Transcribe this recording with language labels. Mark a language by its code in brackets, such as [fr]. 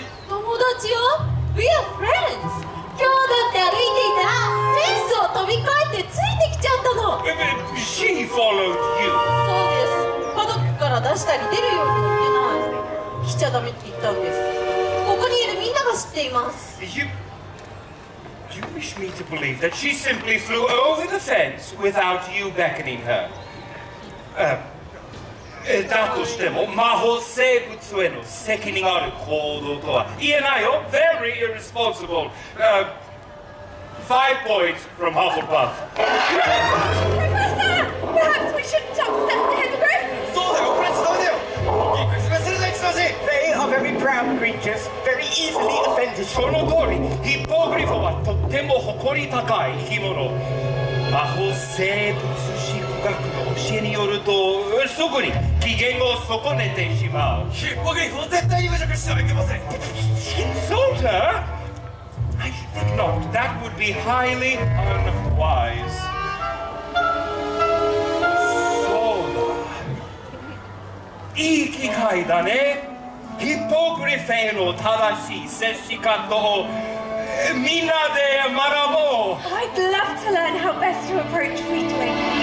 [ja] 友達よ。 [en] We are friends. [ja] 今日だって歩いていたらフェンスを飛び越えてついてきちゃったの。 [en] She followed you。 [ja] そうです、パドックから出したり出るように言ってない、来ちゃダメって言ったんです。ここにいるみんなが知っています。 [en] You wish me to believe that she simply flew over the fence without you beckoning her。 [ja] だとしても魔法生物への責任ある行動とは言えないよ。 [en] Very irresponsible。 5 points from Hufflepuff。 Professor! Perhaps we shouldn't upset the hippogriff! [ja] そうだよ、これ伝えてよ。説明するね、説明する。 [en] They are very proud creatures, very easily offended。 [ja] その通り、ヒッポグリフはとっても誇り高い生き物。魔法生物進化学の教えによると、すぐに機嫌を損ねてしまう。ヒッポグリフを絶対に無邪気してはいけません。 [en] Insulter? I think not. That would be highly unwise. [ja] そうだ。機会だね。ヒッポグリフへの正しい接し方をみんなで学ぼう。 [en] I'd love to learn how best to approach Fleetwing.